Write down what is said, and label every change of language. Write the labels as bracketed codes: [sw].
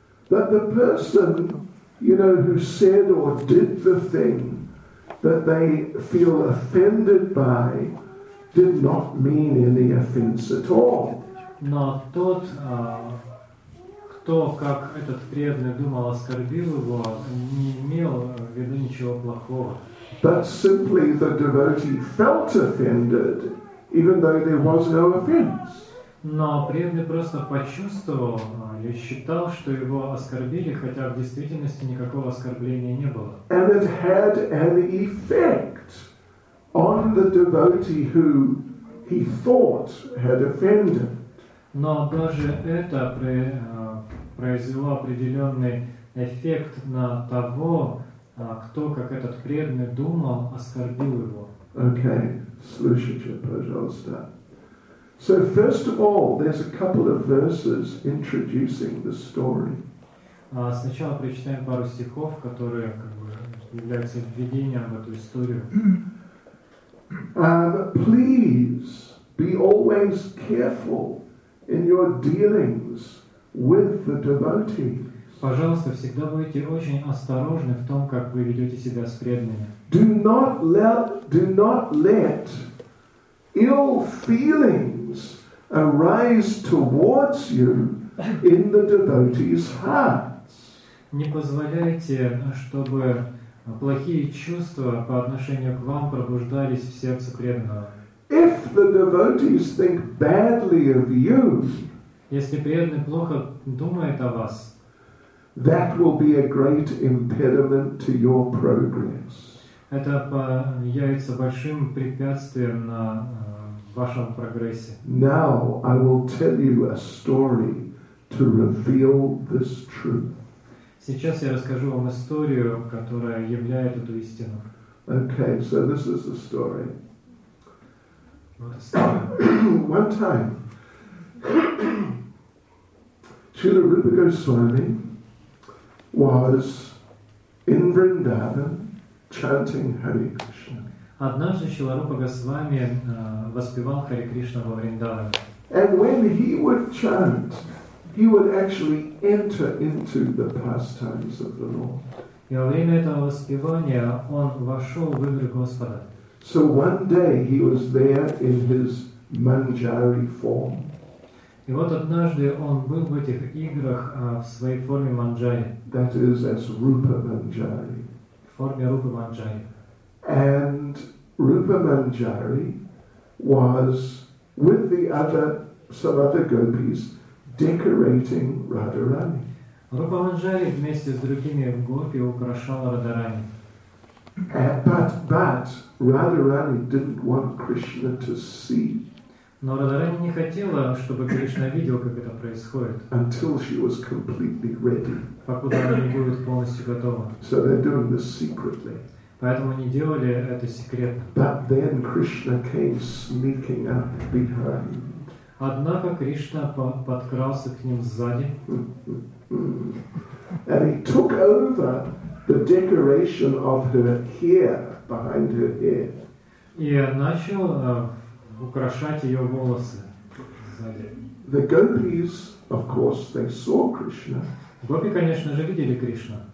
[en] But the person, you know, who said or did the thing that they feel offended by did not mean any offense at all. [ru] Но тот, кто, как этот преданный думал, оскорбил его, не имел в виду ничего плохого. [en] But simply the devotee felt offended, even though there was no offense. [ru] Но преданный просто почувствовал и считал, что его оскорбили, хотя в действительности никакого оскорбления не было. [en] And it had an effect on the devotee who he thought had offended. [ru] Но даже это произвело определенный эффект на того, кто, как этот преданный, думал, оскорбил его. Okay, слушайте, пожалуйста. [en] So, first of all, there's a couple of verses introducing the story. [ru] Сначала прочитаем пару стихов, которые как бы являются введением в эту историю. [en] Please be always careful in your dealings with the devotees. [ru] Пожалуйста, всегда будьте очень осторожны в том, как вы ведете себя с преданными. [en] Do not let ill feelings arise towards you in the devotees' hearts. [ru] Не позволяйте, чтобы плохие чувства по отношению к вам пробуждались в сердце преданного. [en] If the devotees think badly of you, [ru] если преданный плохо думает о вас, [en] that will be a great impediment to your progress. [ru] Это появится большим препятствием на вашем прогрессе. [en] Now I will tell you a story to reveal this truth. [ru] Сейчас я расскажу вам историю, которая являет эту истину. [en] Okay, so this is the story. One time, Srila Rupa Goswami was in Vrindavan chanting Hare Krishna. [ru] Однажды Шрила Рупа Госвами воспевал Харе Кришна во Вриндаване. [en] And when he would chant, he would actually enter into the pastimes of the Lord. [ru] И во время этого воспевания он вошел в игры Господа. [en] So one day he was there in his manjari form. [ru] И вот однажды он был в этих играх в своей форме манджари. [en] That is as Rupa Manjari. [ru] В форме Рупа Манджари. [en] And Rupa Manjari was with the other some other gopis decorating Radharani. [ru] Rupa Manjari вместе с другими гопи украшал Радарани. [en] But Radharani didn't want Krishna to see. [ru] Но Радарани не хотела, чтобы Кришна видел, как это происходит. [en] Until she was completely ready. [ru] Покуда она не будет полностью готова. [en] So they're doing this secretly. [ru] Поэтому они делали это секретно. [en] But then Krishna came sneaking up behind. [ru] Однако Кришна подкрался к ним сзади. [en] And he took over the decoration of her hair behind her head. [ru] И начал украшать ее волосы сзади. [en] The gopis, of course, they saw Krishna. [ru] Гопи, конечно же, видели Кришну.